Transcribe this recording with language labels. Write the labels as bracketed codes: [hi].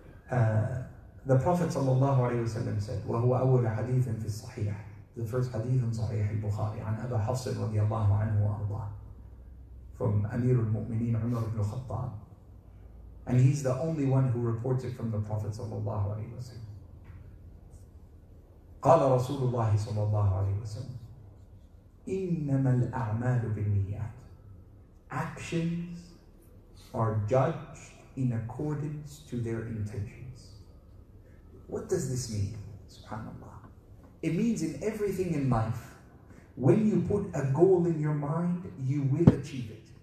[en] The Prophet sallallahu alaihi wasallam said, وَهُوَ أَوَّلَ حَدِيثٍ فِي الصَّحِيحِ. The first hadith in Sahih al-Bukhari, عن أبا حفصٍ رضي الله عنه وأرضاه, from Amir al-Mu'mineen Umar ibn Khattab. And he's the only one who reports it from the Prophet sallallahu alaihi wasallam. [ar] قال رسول الله صلى الله عليه وسلم إنما الأعمال بالنيات. [en] Actions are judged in accordance to their intentions. What does this mean? SubhanAllah. It means in everything in life, when you put a goal in your mind, you will achieve it.